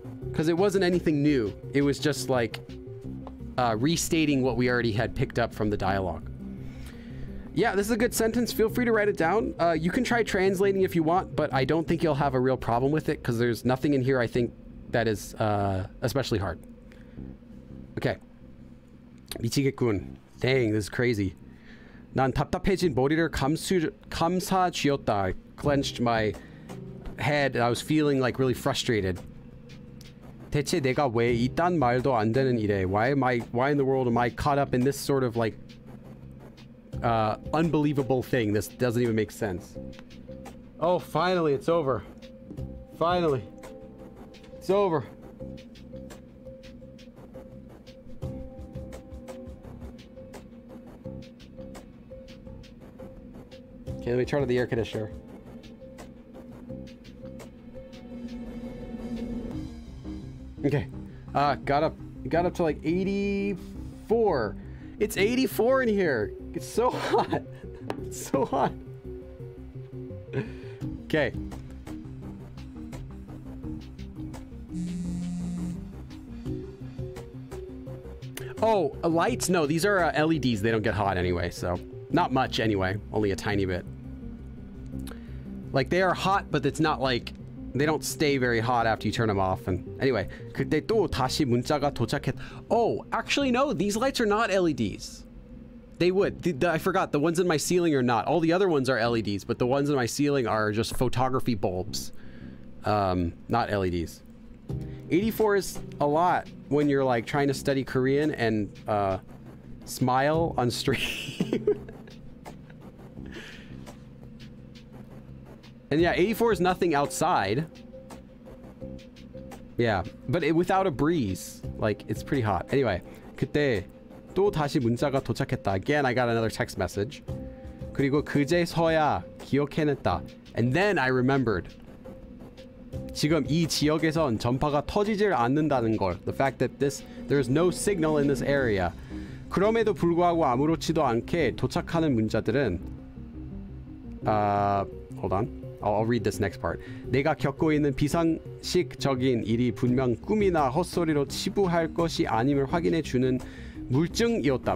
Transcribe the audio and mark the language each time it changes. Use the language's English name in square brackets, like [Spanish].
[English] Because it wasn't anything new. It was just, like, restating what we already had picked up from the dialogue. Yeah, this is a good sentence. Feel free to write it down. You can try translating if you want, but I don't think you'll have a real problem with it because there's nothing in here, I think, that is especially hard. Okay. Michige-kun. Dang, this is crazy. [Korean] 난 답답해진 머리를 감싸 쥐었다. [English] I clenched my head and I was feeling like really frustrated. [Korean] 대체 내가 왜 이딴 말도 안 되는 일에? [English] Why in the world am I caught up in this sort of like unbelievable thing? This doesn't even make sense. Oh, finally, it's over. Finally. It's over. Okay, let me turn on the air conditioner. Okay. Got up to like 84. It's 84 in here. It's so hot. It's so hot. Okay. Oh, lights? No, these are LEDs. They don't get hot anyway, so. Not much anyway, only a tiny bit. Like, they are hot, but it's not like, they don't stay very hot after you turn them off. And anyway, [Korean] 그때 또 다시 문자가 도착했. [English] Oh, actually, no, these lights are not LEDs. They would. I forgot, the ones in my ceiling are not. All the other ones are LEDs, but the ones in my ceiling are just photography bulbs. Not LEDs. 84 is a lot when you're, like, trying to study Korean and smile on stream. And yeah, 84 is nothing outside. Yeah, but it, without a breeze, like, it's pretty hot. Anyway, [Korean] 그때 또 다시 문자가 도착했다. [English] Again, I got another text message. [Korean] 그리고 그제서야 기억해냈다. [English] And then I remembered. [Korean] 지금 이 지역에선 전파가 터지질 않는다는 걸. [English] The fact that there's no signal in this area. [Korean] 그럼에도 불구하고 아무렇지도 않게 도착하는 문자들은 [English] Hold on. I'll read this next part. [Korean] 내가 겪고 있는 비상식적인 일이 분명 꿈이나 헛소리로 치부할 것이 아님을 확인해 주는 물증이었다.